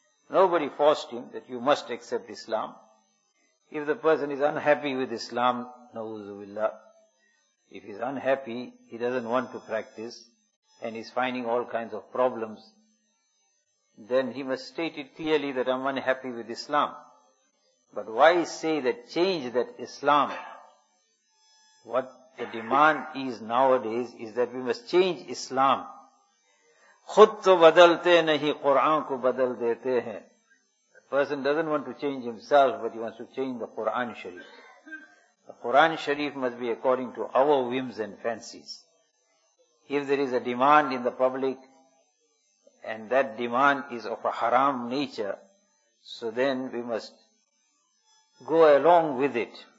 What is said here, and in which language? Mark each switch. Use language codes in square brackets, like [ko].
[en] Nobody forced him that you must accept Islam. If the person is unhappy with Islam, na'udzubillah, if he is unhappy, he doesn't want to practice, and he's finding all kinds of problems, then he must state it clearly that I'm unhappy with Islam. But why say that change that Islam? What the demand is nowadays is that we must change Islam. [ur] خود تو بدلتے نہیں قرآن کو بدل دیتے ہیں. [en] The person doesn't want to change himself, but he wants to change the Quran Sharif. The Quran Sharif must be according to our whims and fancies. If there is a demand in the public, and that demand is of a haram nature, so then we must go along with it.